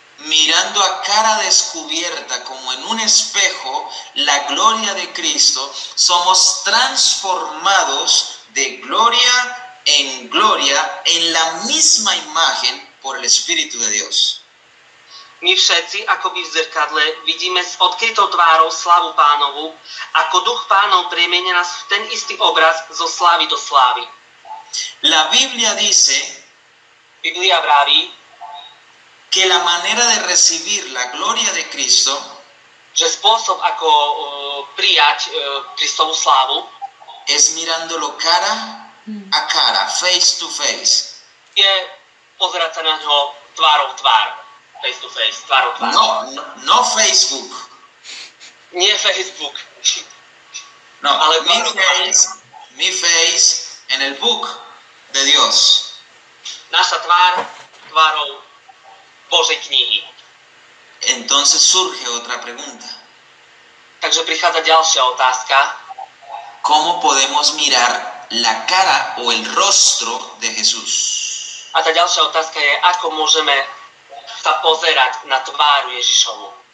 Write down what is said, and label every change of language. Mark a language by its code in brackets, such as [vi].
[es] mirando a cara descubierta como en un espejo la gloria de Cristo somos transformados de gloria en la misma imagen por el Espíritu de Dios. [sk] My všetci, akoby v zrkadle, vidíme s odkrytou tvárou slavu Pánovu, ako Duch Pánov premenia nás v ten istý obraz zo slávy do slávy. [es] La Biblia dice, [sk] Biblia vraví, [es] que la manera de recibir la gloria de Cristo, [sk] že spôsob, ako prijať Kristovu slávu, [es] es mirándolo cara a cara, [en] face to face. [sk] Je pozerať sa na ňo tvárou tvár, [en] face to face, [sk] tvárou tvár. [es] No Facebook. [sk] Nie Facebook. [es] No, ale mi face, mi face en el book de Dios. [sk] naša tvár tvárou Božej knihy. [es] Entonces surge otra pregunta. [sk] Takže prichádza ďalšia otázka. [es] ¿Cómo podemos mirar la cara o el rostro de Jesús? [sk] A tá ďalšia otázka je, ako môžeme sa pozerať na tváru Ježišovu.